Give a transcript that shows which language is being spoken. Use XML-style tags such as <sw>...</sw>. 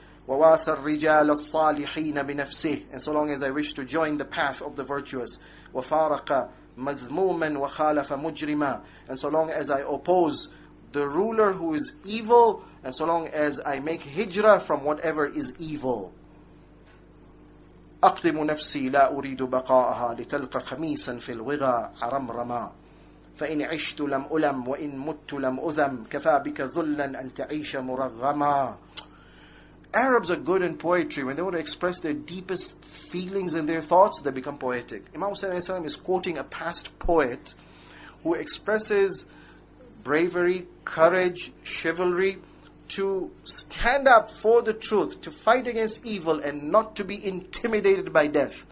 <ar>وَوَاثَ الرِّجَالَ الصَّالِحِينَ بِنَفْسِهِ.</ar> <en>And so long as I wish to join the path of the virtuous.</en> <ar>وَفَارَقَ مَذْمُومًا وَخَالَفَ مُجْرِمًا.</ar> <en>And so long as I oppose the ruler who is evil, and so long as I make hijrah from whatever is evil.</en> <ar>أقدم نفسي لا أريد بقاءها لتلقى خميسا في الوغى عرم رما فإن عشت لم ألم وإن مت لم أذم كفى بك ذلا أن تعيش مرغما.</ar> <en>Arabs are good in poetry. When they want to express their deepest feelings and their thoughts, they become poetic. Imam Hussein alayhi salam is quoting a past poet who expresses bravery, courage, chivalry, to stand up for the truth, to fight against evil and not to be intimidated by death.</en>